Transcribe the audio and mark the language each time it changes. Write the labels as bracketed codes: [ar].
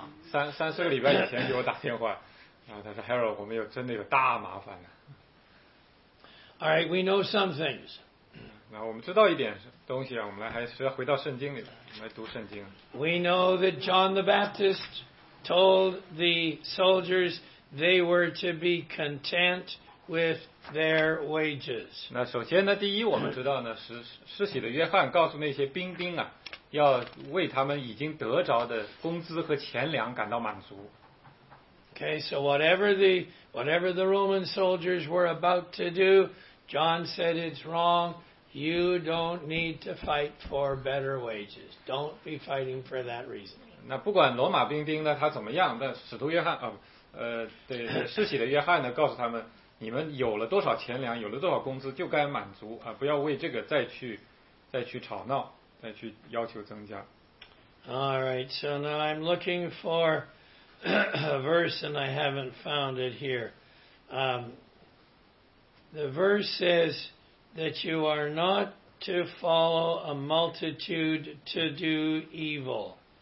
[zh] 三四个礼拜以前给我打电话，然后他说 ，Harold， 我们有真的有大麻烦了。 [en] All right, we know some things. [zh] 那我们知道一点东西啊，我们来还是要回到圣经里来，我们来读圣经。 [en] We know that John the Baptist told the soldiers they were to be content with their wages. [zh] 那首先呢，第一我们知道呢，施洗的约翰告诉那些兵啊，要为他们已经得着的工资和钱粮感到满足。 [en] Okay, so whatever the Roman soldiers were about to do, John said it's wrong. You don't need to fight for better wages. Don't be fighting for that reason. [zh] 那不管罗马兵丁呢他怎么样，但使徒约翰施洗的约翰呢告诉他们，你们有了多少钱粮，有了多少工资就该满足啊，不要为这个再去吵闹，再去要求增加。 [en] All right, so now I'm looking for a verse and I haven't found it here. The verse says that you are not to follow a multitude to do evil.